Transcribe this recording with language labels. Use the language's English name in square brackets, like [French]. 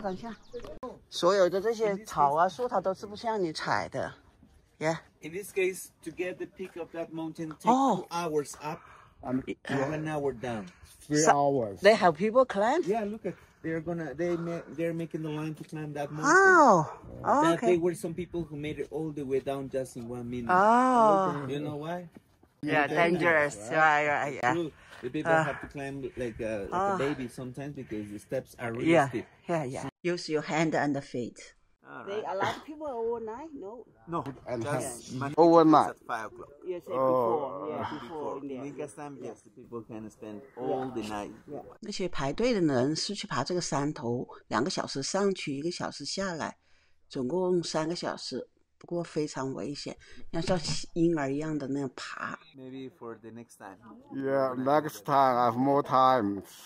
[Chinese] 等下，所有的这些草啊树它都是不像你采的耶、 [English] yeah. In this case to get the peak of that mountain takes 2 hours up and 1 hour down 3 hours they have people climb yeah look at they're gonna they're making the line to climb that mountain oh, oh okay. But there were some people who made it all the way down just in 1 minute oh you know why yeah dangerous right right, right yeah、 True. The people have to climb like a baby sometimes because the steps are really steep. Yeah, yeah, yeah. Use your hand and the feet. All right. They, a lot of people are overnight, no? No. And just overnight. At 5 o'clock. Yes, before. Yeah, before. Because sometimes, yes, the people can spend all the night. Yeah. [Chinese] 那些排队的人是去爬这个山头，两个小时上去，一个小时下来，总共3个小时。不过非常危险，要像婴儿一样的那样爬。 [English] Maybe for the next time. Yeah, next time I have more time.